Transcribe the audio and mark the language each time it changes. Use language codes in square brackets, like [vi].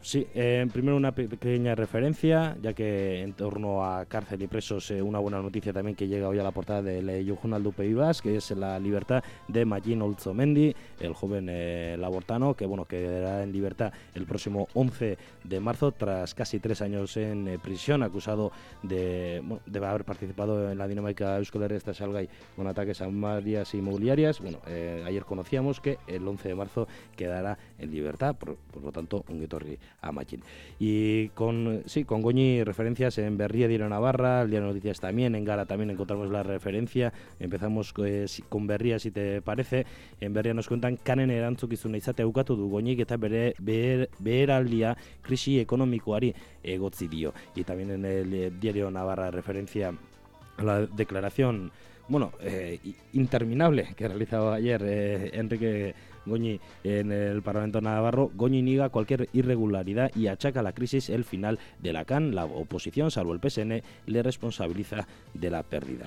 [es] Sí, primero una pequeña referencia, ya que en torno a cárcel y presos, una buena noticia también que llega hoy a la portada del Journal du Pays Basque, que es la libertad de Mayín Olzomendi, el joven labortano, que bueno, quedará en libertad el próximo 11 de marzo tras casi 3 años en prisión, acusado de, bueno, de haber participado en la dinámica Euskoder esta Salgai con ataques a varias inmobiliarias. Bueno, ayer conocíamos que el 11 de marzo quedará en libertad, por lo tanto, un getorri a Machín. Y con, sí, con Goñi referencias en Berria, Diario Navarra, el Diario Noticias también, en Gara también encontramos la referencia. Empezamos con Berria, si te parece. En Berria nos cuentan [eu] kanen erantzukizuna izate ukatu du Goñik eta bere beheraldia krisi ekonomikoari egotzi dio. [es] Y también en el Diario Navarra referencia a la declaración, bueno, interminable que realizaba ayer Enrique Goñi en el Parlamento Navarro. Goñi niega cualquier irregularidad y achaca la crisis el final de la CAN. La oposición, salvo el PSN, le responsabiliza de la pérdida.